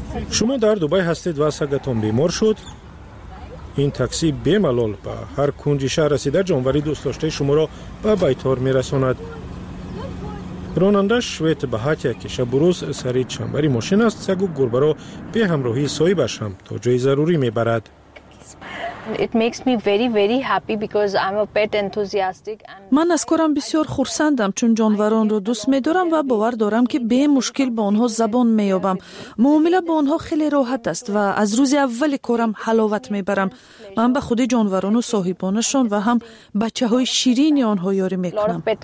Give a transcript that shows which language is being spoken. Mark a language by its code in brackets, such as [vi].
[fa] شما در دبی هستید و سگتون بیمار شد؟ این تاکسی بی‌ملال به هر کنج شهر رسیده جانوری دوست داشته شما را به بیتار می رساند. راننده شویت به حتی که شب و روز سری چنبری ماشین است، سگ و گربه را به همراهی صاحبش هم تا جای ضروری می برد. [en] It makes me very very happy because I'm a pet enthusiastic and [fa] من از کارم بسیار خرسندم چون جانوران رو دوست می‌دارم و باور دارم که به مشکل با آنها زبان می‌یابم. معامله با آنها خیلی راحت است و از روز اول کارم حلاوت می‌برم. من به خود جانوران و صاحبانشون و هم بچه‌های شیرین آنها یاری می‌کنم.